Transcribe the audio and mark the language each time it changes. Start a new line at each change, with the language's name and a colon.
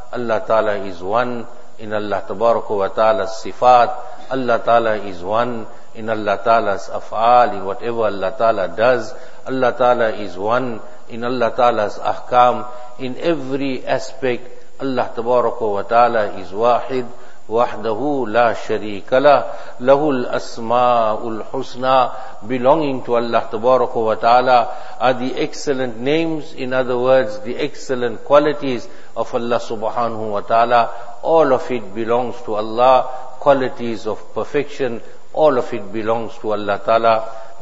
English: Allah Ta'ala is one in Allah Tabaraka wa Ta'ala's Sifat. Allah Ta'ala is one in Allah Ta'ala's Af'al, in whatever Allah Ta'ala does. Allah Ta'ala is one in Allah Ta'ala's Ahkam. In every aspect, Allah Tabaraka wa Ta'ala is Wahid.
Arabic: وحده لا شريك له له الأسماء الحسنى.
English: Belonging to Allah تبارك وتعالى are the excellent names, in other words the excellent qualities of Allah سبحانه وتعالى. All of it belongs to Allah, qualities of perfection, all of it belongs to Allah تعالى.